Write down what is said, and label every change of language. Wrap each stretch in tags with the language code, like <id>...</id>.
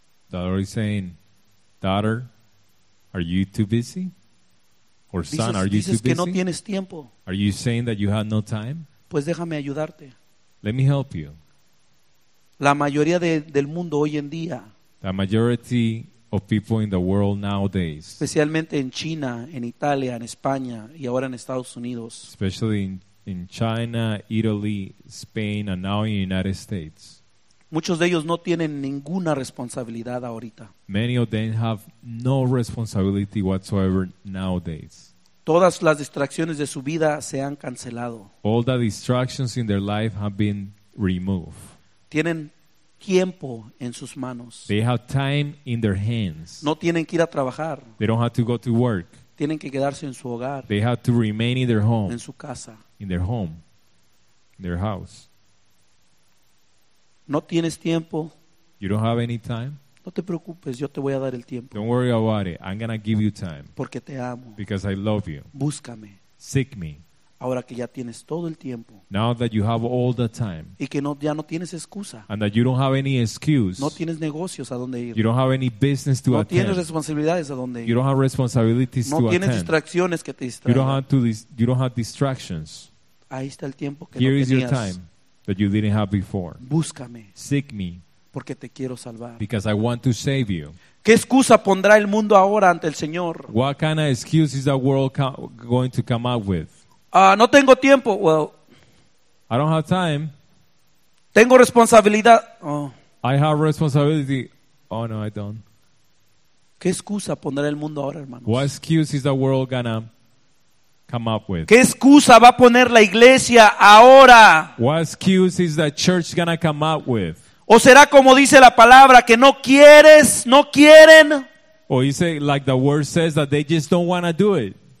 <en>The Lord is saying, daughter, are you too busy? Or son,</en> <es>dices,</es> <en>are you</en> <es>dices Que no tienes tiempo.</es> <en>Are you saying that you have no time?</en> <es>Pues déjame ayudarte.</es> <en>Let me help you.</en> <es>La mayoría del mundo hoy en día.</es> <en>The majority of people in the world nowadays,</en> <es>especialmente en China, en Italia, en España y ahora en Estados Unidos,</es> <en>especially in China, Italy, Spain, and now in the United States,</en> <es>muchos de ellos no tienen ninguna responsabilidad ahorita.</es> <en>Many of them have no responsibility whatsoever nowadays.</en> <es>Todas las distracciones de su vida se han cancelado.</es> <en>All the distractions in their life have been removed.</en> <es>Tienen tiempo en sus manos.</es> <en>They have time in their hands.</en> <es>No tienen que ir a trabajar.</es> <en>They don't have to go to work.</en> <es>Tienen que quedarse en su hogar.</es> <en>They have to remain in their home.</en> <es>En su casa.</es> <en>In their home. In their house.</en> <es>No tienes tiempo.</es> <en>You don't have any time.</en> <es>No te preocupes, yo te voy a dar el tiempo.</es> <en>Don't worry about it. I'm gonna give you time.</en> <es>Porque te amo.</es> <en>Because I love you.</en> <es>Búscame.</es> <en>Seek me.</en> <es>Ahora que ya tienes todo el tiempo.</es> <en>Now that you have all the time.</en> <es>Y que no, ya no tienes excusa.</es> <en>And that you don't have any excuse.</en> <es>No tienes negocios a dónde ir.</es> <en>You don't have any business to attend.</en> <es>No tienes responsabilidades a dónde ir.</es> <en>You don't have responsibilities to attend.</en> <es>No tienes distracciones que te distraigan.</es> <en>You don't have distractions.</en> <es>Ahí está el tiempo que no tenías.</es> <en>Here is your time that you didn't have before.</en> <es>Búscame.</es> <en>Seek me.</en> <es>Porque te quiero salvar.</es> <en>Because I want to save you.</en> <es>¿Qué excusa pondrá el mundo ahora ante el Señor?</es> <en>What kind of excuse is the world going to come up with?</en> <es>No tengo tiempo.</es> <en>Well, I don't have time.</en> <es>Tengo responsabilidad. Oh.</es> <en>I have responsibility. Oh, no, I don't.</en> <es>¿Qué excusa pondrá el mundo ahora, hermanos?</es> <en>What excuse is the world gonna come up with?</en> <es>¿Qué excusa va a poner la iglesia ahora?</es> <en>What excuse is the church gonna come up with?</en> <es>¿O será como dice la palabra, que no quieres, no quieren?</es> <en>Or is it like the word says that they just don't want to do it?</en>